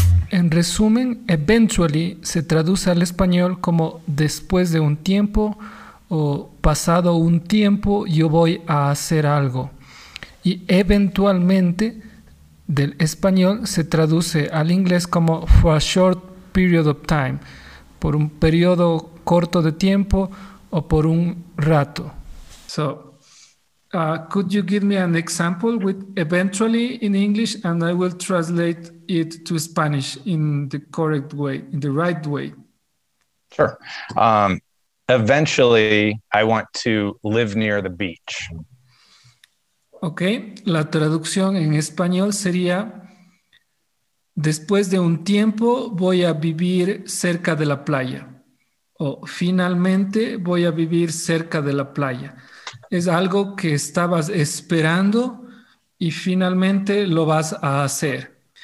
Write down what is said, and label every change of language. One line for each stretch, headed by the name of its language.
Spanish: En resumen, eventually se traduce al español como después de un tiempo o pasado un tiempo yo voy a hacer algo. Y eventualmente del español se traduce al inglés como
English: for a short period of time,
Spanish: por un periodo corto de tiempo o por un rato.
English: So, could you give me an example with eventually in English and I will translate it to Spanish in the correct way, in the right way? Sure. Eventually, I want to live near the beach. Okay.
Spanish: La traducción en español sería, después de un tiempo voy a vivir cerca de la playa. O finalmente voy a vivir cerca de la playa. Es algo que estabas esperando y finalmente lo vas a hacer.